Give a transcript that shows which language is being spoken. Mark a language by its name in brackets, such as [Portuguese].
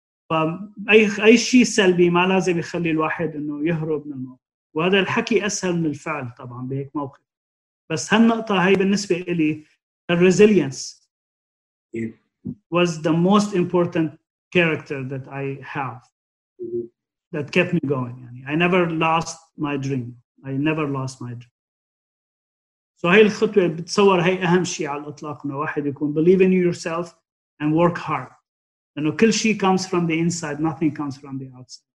[Arabic] فأي شيء سلبي ما لازم يخلي الواحد أنه يهرب من الموقف، وهذا الحكي أسهل من الفعل طبعا بهيك موقف، بس هالنقطة هاي بالنسبة إلي [English] the resilience was the most important character that I have that kept me going. يعني I never lost my dream. I never lost my dream. [Arabic] So هاي الخطوة بتصور هاي أهم شيء على الإطلاق، إنه واحد يكون [English] believe in yourself and work hard. [Arabic] لأنه كل شيء [English] comes from the inside. Nothing comes from the outside.